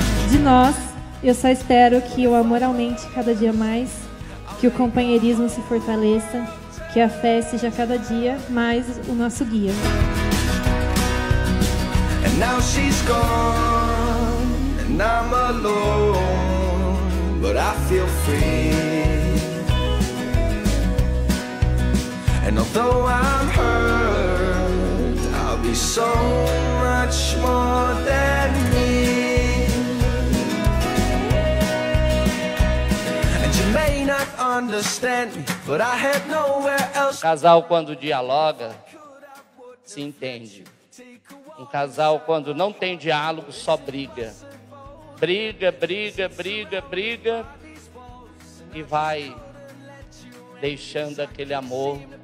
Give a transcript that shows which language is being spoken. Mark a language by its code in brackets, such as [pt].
[pt] De nós, eu só espero que o amor aumente cada dia mais, que o companheirismo se fortaleça, que a fé seja cada dia mais o nosso guia. [en] And now she's gone, and I'm alone, but I feel free. And although I'm hurt, I'll be so much more than me. And you may not understand me, but I had nowhere else. [pt] Um casal quando dialoga, se entende. Um casal quando não tem diálogo, só briga. Briga, briga, briga, briga. E vai deixando aquele amor.